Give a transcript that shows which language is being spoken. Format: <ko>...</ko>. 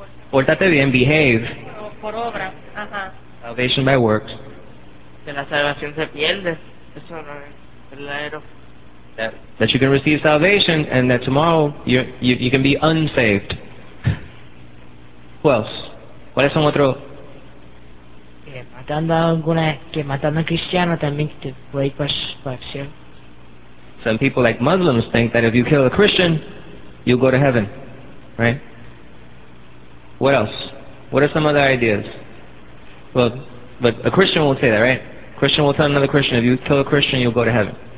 <es>Pórtate bien,</es> <en>behave.</en> <es>Por obra, ajá.</es> <en>Salvation by works.</en> <es>Que la salvación se pierde. Eso no es verdadero.</es> <en>That you can receive salvation and that tomorrow you can be unsaved. Who else?</en> <es>¿Cuáles son otros? Que matando a alguna, que matando a cristiano también te puede pasar.</es> <en>Some people like Muslims think that if you kill a Christian, you'll go to heaven, right? What else? What are some other ideas? Well, but a Christian won't say that, right? A Christian will tell another Christian, if you kill a Christian, you'll go to heaven.</en>